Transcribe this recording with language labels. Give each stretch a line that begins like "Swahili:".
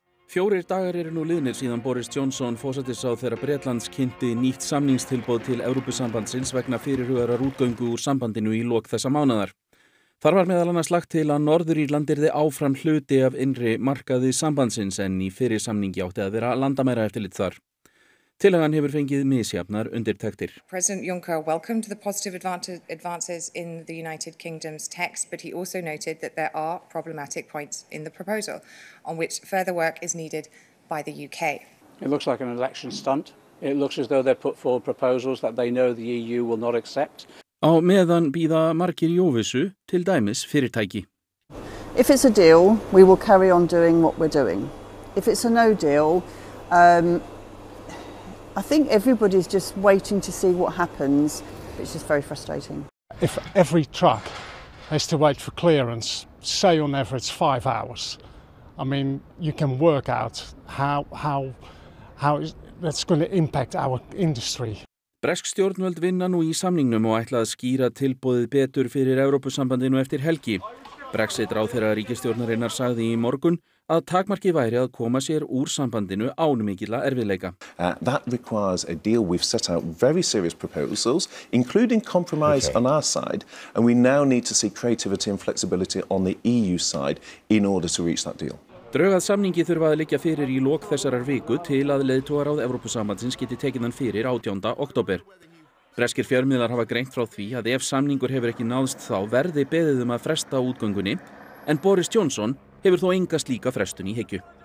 Icelandic: Fjórir dagar eru nú liðnir síðan Boris Johnson forsætisráðherra Bretlands kynnti nýtt samningstilboð til Evrópusambandsins vegna fyrirhugaðrar útgöngu úr sambandinu í lok þessa mánaðar. Þar var meðal annars lagt til að Norður-Írland yrði áfram hluti af innri markaði sambandsins en í fyrir samningi átti að vera landamæra eftirlit þar. Tillagan hefur fengið misjafnar undirtektir.
English: President Juncker welcomed the positive advances in the United Kingdom's text, but he also noted that there are problematic points in the proposal on which further work is needed by the UK. It looks like an election stunt. It looks as though they've put forward proposals that they know the EU will not accept.
Icelandic: Á meðan bíða margir í óvissu, til dæmis fyrirtæki.
English: If it's a deal, we will carry on doing what we're doing. If it's a no deal, I think everybody's just waiting to see what happens. It's just very frustrating. If every truck has to wait for clearance, say on average 5 hours, I mean, you can work out how that's going to impact our industry.
Icelandic: Bresk stjórnvöld vinna nú í samningnum og ætla að skýra tilboðið betur fyrir Evrópusambandinu eftir helgi. Brexit ráðherra ríkisstjórnarinnar sagði í morgun að takmarki væri að koma sér úr sambandinu án mikilla erfiðleika.
English: That requires a deal. We've set out very serious proposals, including compromise on our side, and we now need to see creativity and flexibility on the EU side in order to reach that deal.
Icelandic: Drög að samningi þurfa að liggja fyrir í lok þessarar viku til að leiðtogaráð Evrópusambandsins geti tekið hann fyrir 18. október. Breskir fjölmiðlar hafa greint frá því að ef samningur hefur ekki náðst þá verði beðið að fresta útgöngunni, en Boris Johnson hefur þó enga slíka frestun í hyggju.